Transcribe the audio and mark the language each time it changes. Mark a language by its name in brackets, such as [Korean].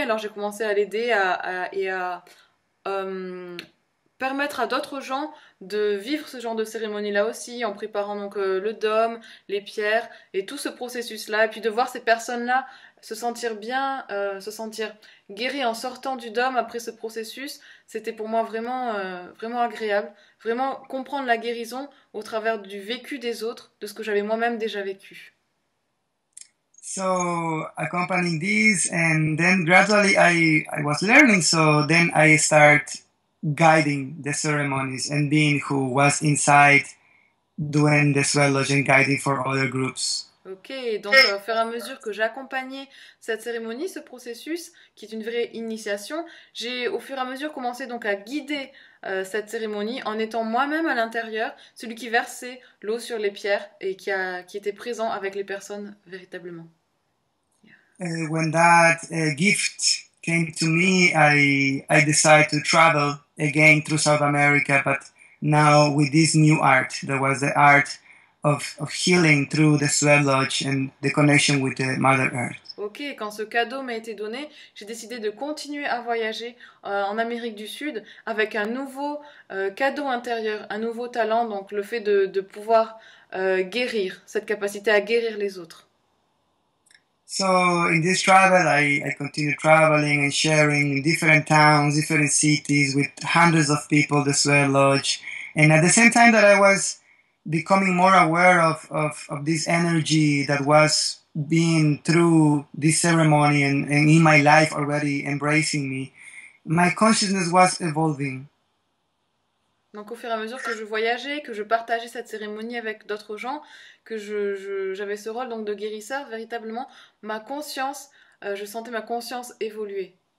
[French] Alors j'ai commencé à l'aider à permettre à d'autres gens de vivre ce genre de cérémonie-là aussi, en préparant donc le dôme, les pierres et tout ce processus-là, et puis de voir ces personnes-là se sentir bien, se sentir guéri en sortant du dôme après ce processus, c'était pour moi vraiment agréable, vraiment comprendre la guérison au travers du vécu des autres, de ce que j'avais moi-même déjà vécu. [English] So accompanying this, and then gradually I was learning. So then I start guiding the ceremonies and being who was inside doing the sweat lodge and guiding for other groups. [French] Ok, donc au fur et à mesure que j'accompagnais cette cérémonie, ce processus, qui est une vraie initiation, j'ai au fur et à mesure commencé donc à guider cette cérémonie en étant moi-même à l'intérieur, celui qui versait l'eau sur les pierres et qui était présent avec les personnes véritablement. [English] When that gift came to me, I decided to travel again through South America, but now with this new art, that was the art of healing through the sweat lodge and the connection with the Mother Earth. [French] Ok, quand ce cadeau m'a été donné, j'ai décidé de continuer à voyager en Amérique du Sud avec un nouveau cadeau intérieur, un nouveau talent, donc le fait de pouvoir guérir, cette capacité à guérir les autres. [English] So in this travel, I continued traveling and sharing in different towns, different cities with hundreds of people that were lodged. And at the same time that I was becoming more aware of this energy that was being through this ceremony and in my life already embracing me, my consciousness was evolving. [French] Donc au fur et à mesure que je voyageais, que je partageais cette cérémonie avec d'autres gens, que j'avais ce rôle donc de guérisseur, véritablement, ma conscience, je sentais ma conscience évoluer.